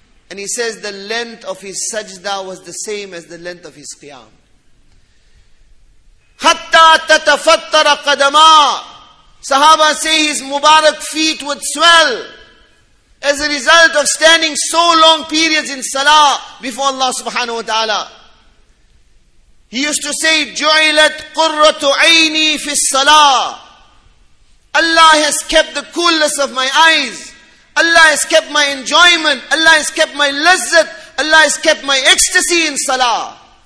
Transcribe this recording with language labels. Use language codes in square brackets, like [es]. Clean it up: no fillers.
[en] And he says the length of his sajda was the same as the length of his qiyam. [ar] Hatta tatafattara qadama. [en] Sahaba say his mubarak feet would swell as a result of standing so long periods in salah before Allah subhanahu wa ta'ala. He used to say, [ar] جُعِلَتْ قُرَّةُ عَيْنِي فِي الصَّلَاةِ. [en] Allah has kept the coolness of my eyes. Allah has kept my enjoyment. Allah has kept my lazzat. Allah has kept my ecstasy in salah.